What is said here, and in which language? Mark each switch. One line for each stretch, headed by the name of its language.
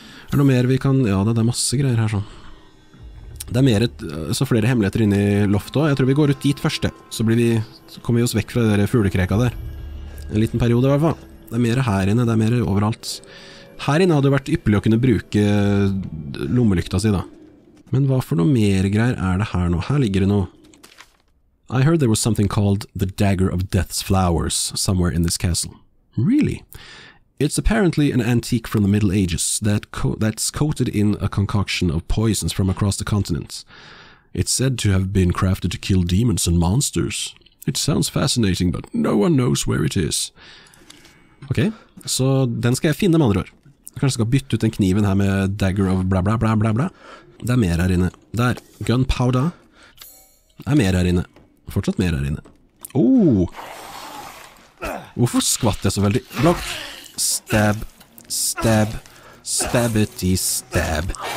Norwegian: Er det noe mer vi kan, ja, det er masse greier her sånn. Det er mer, så flere hemmeligheter inne i loftet også. Jeg tror vi går ut dit først, så blir vi, så kommer vi oss vekk fra det der fuglekreka der. En liten periode i hvert fall. Det er mer her inne, det er mer overalt. Her inne hadde det vært ypperlig å kunne bruke lommelykta si da. Men hva for noe mer greier er det her nå? Her ligger det nå.
English: I heard there was something called the Dagger of Death's Flowers somewhere in this castle. Really? It's apparently an antique from the Middle Ages that's coated in a concoction of poisons from across the continent. It's said to have been crafted to kill demons and monsters. It sounds fascinating, but no one knows where it is.
Norwegian: Ok, så den skal jeg finne med andre år. Jeg kanskje skal bytte ut den kniven her med dagger of bla bla bla bla bla. Det er mer her inne. Der, gunpowder. Det er mer her inne. Fortsatt mer her inne. Oh! Hvorfor skvatter jeg så veldig? Blokk! Stab, stab, stabity stab.